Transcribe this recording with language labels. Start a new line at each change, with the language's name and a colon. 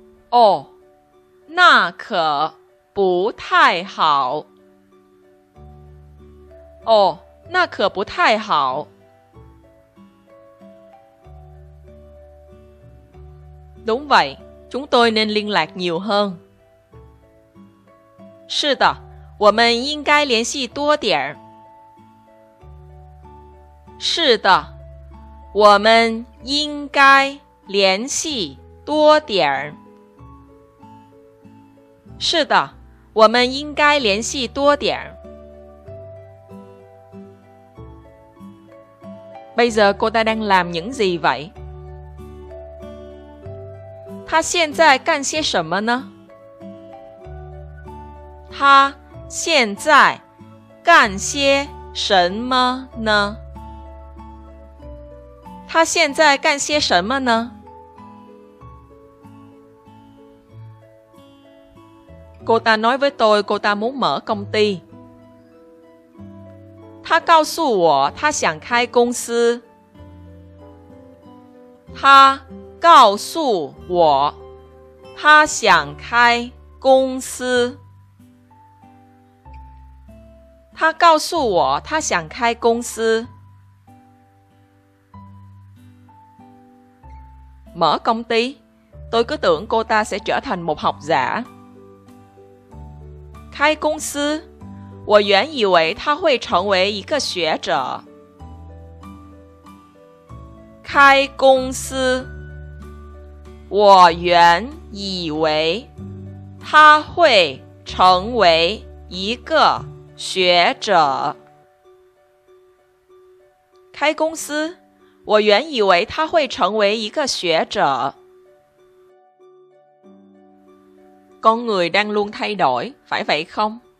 Chinese: Ồ, na ke bu tai hao. Ồ, na ke bu tai hao.
Vietnamese: Đúng vậy, chúng tôi nên liên lạc nhiều hơn.
Chinese: 是的，我们应该联系多点。是的，我们应该联系多点。是的，我们应该联系多点。
Vietnamese: Bây giờ cô ta đang làm những gì vậy?
Chinese: 他他现在干些什么呢? 他现在干些什么呢? 他现在干些什么呢? 他现在干些什么呢? 他告诉我他想开公司。他告诉我他想开公司。他告诉我他想开公司。
Vietnamese: Mở công ty, tôi cứ tưởng cô ta sẽ trở thành một học giả.
Chinese: Khai công sư, 我原以为他会成为一个学者. Khai công sư, 我原以为他会成为一个学者. Khai công sư, 我原以为他会成为一个学者.
Vietnamese: Con người đang luôn thay đổi, phải vậy không?